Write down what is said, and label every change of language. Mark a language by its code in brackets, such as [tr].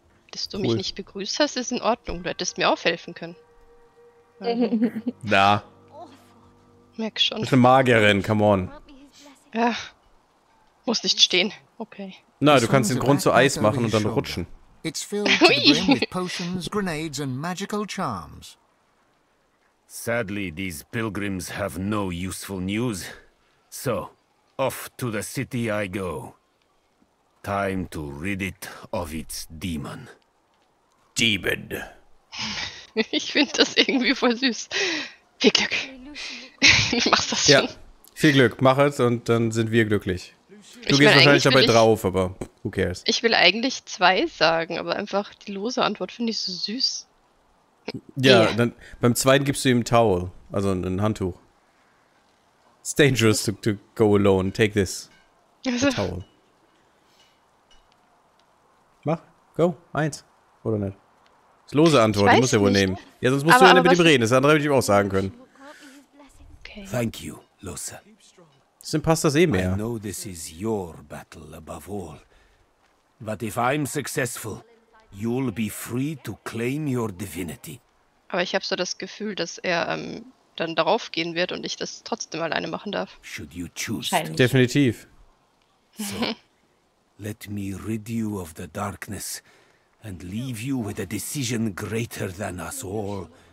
[de] Dass du mich nicht begrüßt hast, ist in Ordnung. Du hättest mir aufhelfen können. Na. Merk schon. Das ist eine Magierin, [en] come on. [de] Ja. Muss nicht stehen. Okay. Na, du kannst den Grund zu Eis machen und dann rutschen. [en] It's filled to the brim with potions, grenades and magical charms. Sadly, these pilgrims have no useful news. So, off to the city I go. Time to rid it of its demon. Demon. [de] Ich finde das irgendwie voll süß. Viel Glück. Ich mach's das schon. Ja, viel Glück. Mach es und dann sind wir glücklich. Du gehst wahrscheinlich dabei drauf, aber [en] who cares. [de] Ich will eigentlich zwei sagen, aber einfach die lose Antwort finde ich so süß. Ja, dann beim zweiten gibst du ihm ein Towel, also ein Handtuch. [en] It's dangerous to go alone. Take this. Also. A towel. [de] Mach, go, eins. Oder nicht? Das ist lose Antwort, du musst ja wohl nehmen. Ja, sonst musst du ja mit ihm reden, das andere würde ich ihm auch sagen können. [en] Okay. Thank you, Lose. [de] Deswegen passt das eh mehr. [en] I know this is your battle above all. But if I'm successful, you'll be free to claim your divinity. [de] Aber ich habe so das Gefühl, dass er dann darauf gehen wird und ich das trotzdem alleine machen darf. [en] Should you choose. [de] Definitiv. [en] So, let me rid you of the darkness and leave you with a decision greater than us all.